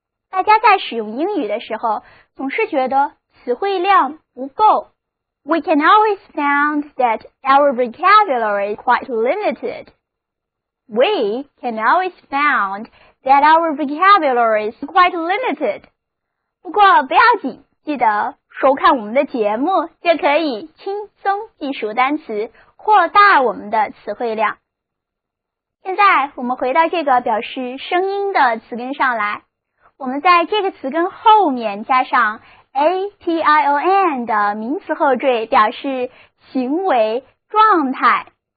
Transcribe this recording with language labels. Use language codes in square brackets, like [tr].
[zh] 大家在使用英语的时候总是觉得词汇量不够。 [en] We can always find that our vocabulary is quite limited. We can always find that our vocabulary is quite limited. [zh] 不过不要紧，记得收看我们的节目就可以轻松记熟单词，扩大我们的词汇量。现在我们回到这个表示声音的词根上来，我们在这个词根后面加上ation 的名词后缀，表示行为状态。